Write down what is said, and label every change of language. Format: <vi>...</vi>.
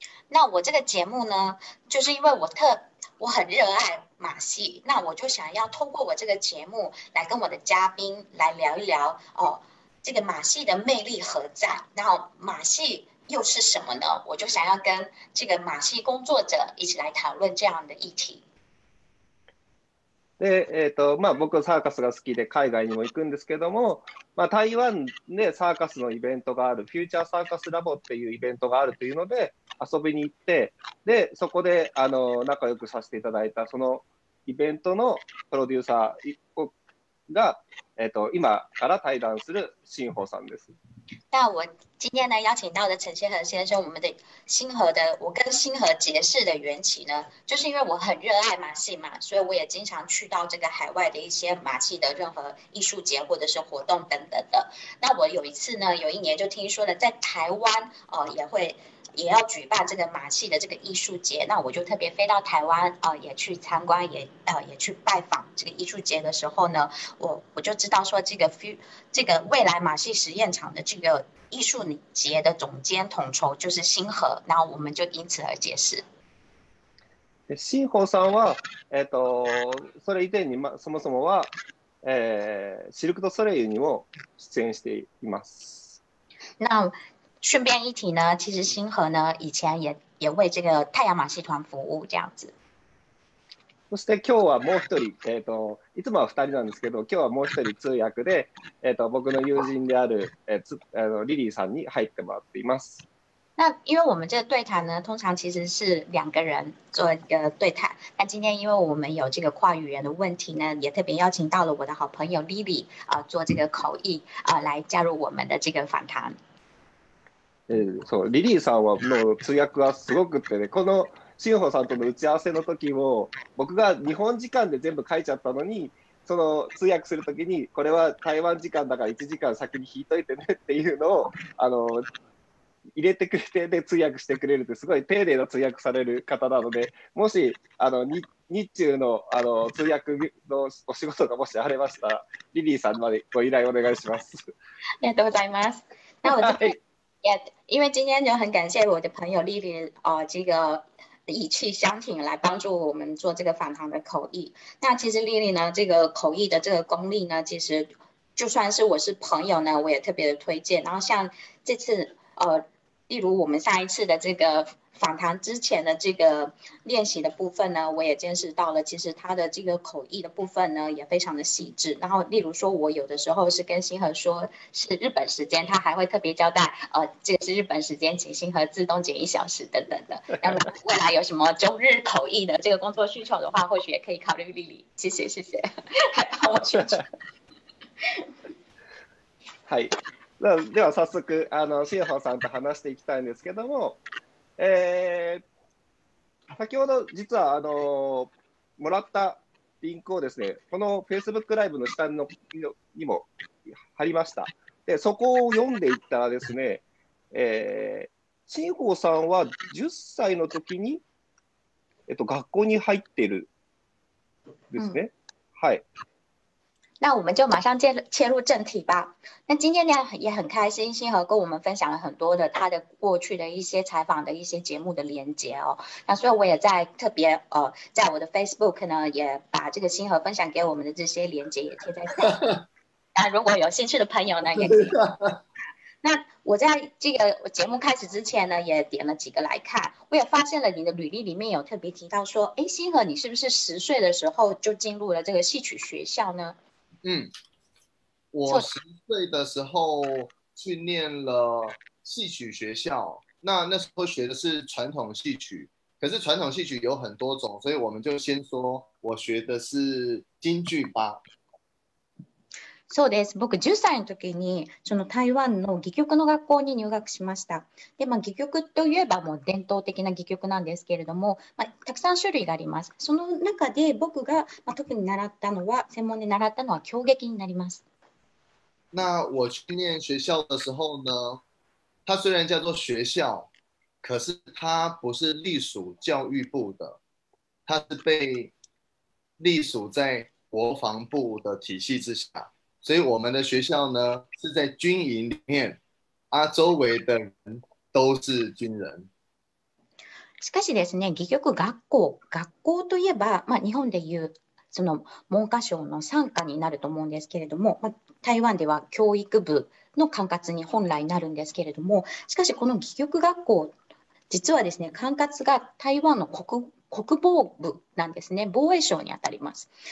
<zh>那我这个节目呢，就是因为我很热爱马戏，那我就想要通过我这个节目来跟我的嘉宾来聊一聊哦，这个马戏的魅力何在，然后马戏又是什么呢？我就想要跟这个马戏工作者一起来讨论这样的议题。</zh> <ja>で、まあ、僕はサーカスが好きで海外にも行くんですけども、まあ、台湾でサーカスのイベントがあるフューチャーサーカスラボっていうイベントがあるというので遊びに行って、でそこで仲良くさせていただいたそのイベントのプロデューサーが、今から対談する新保さんです。</ja> <zh>那我今天呢邀请到的陈千和先生，我们的新和的，我跟新和结识的缘起呢，就是因为我很热爱马戏嘛，所以我也经常去到这个海外的一些马戏的任何艺术节或者是活动等等的。那我有一次呢，有一年就听说了，在台湾也要举办这个马戏的这个艺术节，那我就特别飞到台湾也去参观，也去拜访这个艺术节的时候呢，我就知道说这个未来马戏实验场的这个艺术节的总监统筹就是新和，然后我们就因此而结识。</zh> <ja>新和さんは、それ以前に、ま、そもそもは、シルクドソレイユにも出演しています。</ja> <zh>那顺便一提呢，其实新和呢以前也为这个太阳马戏团服务这样子。</zh> <ja>そして今日はもう一人、いつもは二人なんですけど、今日はもう一人通訳で、僕の友人である、リリーさんに入ってもらっています。</ja> <zh>那因为我们这个对谈呢，通常其实是两个人做一个对谈。那今天因为我们有这个跨语言的问题呢，也特别邀请到了我的好朋友 Lily 做这个口译来加入我们的这个访谈。</zh> <ja>そう、リリーさんはもう通訳がすごくってね、この新保さんとの打ち合わせの時も僕が日本時間で全部書いちゃったのに、その通訳する時にこれは台湾時間だから1時間先に引いといてねっていうのを入れてくれて、で通訳してくれるってすごい丁寧な通訳される方なので、もし日中 の通訳のお仕事がもしあれましたら、リリーさんまでご依頼お願いします。ありがとうございます。</ja> <zh>因为今天就很感谢我的朋友莉莉、这个意气相挺来帮助我们做这个访谈的口译。那其实莉莉呢这个口译的这个功力呢，其实就算是我是朋友呢，我也特别的推荐。然后像这次例如我们上一次的这个访谈之前的这个练习的部分呢，我也见识到了其实他的这个口译的部分呢也非常的细致。然后例如说我有的时候是跟星河说是日本时间，他还会特别交代这个是日本时间，请星河自动减一小时等等的。然后未来有什么中日口译的这个工作需求的话，或许也可以考虑莉莉。谢谢谢谢，还帮我宣传。</zh> <ja>はい、では早速シエホさんと話していきたいんですけども、先ほど実はもらったリンクをですね、この Facebook ライブの下のにも貼りました。でそこを読んでいったらですね、シエホさんは10歳の時に、学校に入っているですね、うん、はい。</ja> <zh>那我们就马上切入正题吧。那今天呢也很开心星河跟我们分享了很多的他的过去的一些采访的一些节目的连结哦。那所以我也在特别在我的 Facebook 呢也把这个星河分享给我们的这些连结也贴在下面。那如果有兴趣的朋友呢也可以。那我在这个节目开始之前呢也点了几个来看，我也发现了你的履历里面有特别提到说，哎，星河你是不是十岁的时候就进入了这个戏曲学校呢？嗯，我十岁的时候去念了戏曲学校，那时候学的是传统戏曲，可是传统戏曲有很多种，所以我们就先说我学的是京剧吧。</zh> <ja>そうです。僕10歳の時にその台湾の戯曲の学校に入学しました。で、まあ、戯曲といえばもう伝統的な戯曲なんですけれども、まあ、たくさん種類があります。その中で僕が、まあ、特に習ったのは専門で習ったのは京劇になります。</ja> <zh>那我去念学校的时候呢、它虽然叫做学校、可是它不是隶属教育部的、它是被隶属在国防部的体系之下。所以我们的学校呢是在军营里面、啊、周围的人都是军人。</zh> <ja>しかしですね、戯曲学校、学校といえば、まあ、日本でいうその文科省の傘下になると思うんですけれども、まあ、台湾では教育部の管轄に本来なるんですけれども、しかしこの戯曲学校、実はですね、管轄が台湾の 国防部なんですね、防衛省にあたります。</ja>